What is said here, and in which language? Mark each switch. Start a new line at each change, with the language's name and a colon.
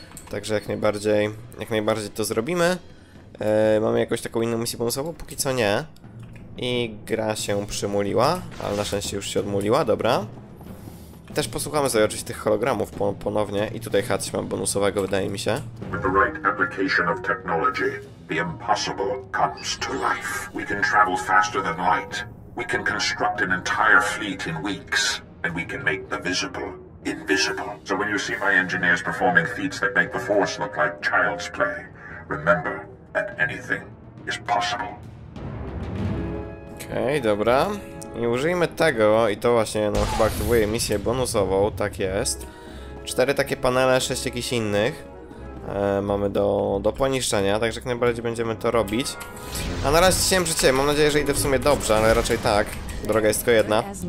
Polish: Także jak najbardziej to zrobimy. Mamy jakąś taką inną misję bonusową? Póki co nie. I gra się przymuliła, ale na szczęście już się odmuliła, dobra. Też posłuchamy sobie oczywiście tych hologramów ponownie. I tutaj hatch mam bonusowego, wydaje mi się.
English: With the right application of technology, the impossible comes to life. We can travel faster than light. We can construct an entire fleet in weeks. And we can make the visible invisible. So when you see my engineers performing feats that make the force look like child's play, remember that anything is possible.
Polish: Okej, dobra. I użyjmy tego, i to właśnie no, chyba aktywuje misję bonusową, tak jest. Cztery takie panele, sześć jakichś innych mamy do poniszczenia, także jak najbardziej będziemy to robić. A na razie ciśniemy przy ciebie, mam nadzieję, że idę w sumie dobrze, ale raczej tak. Droga jest tylko jedna.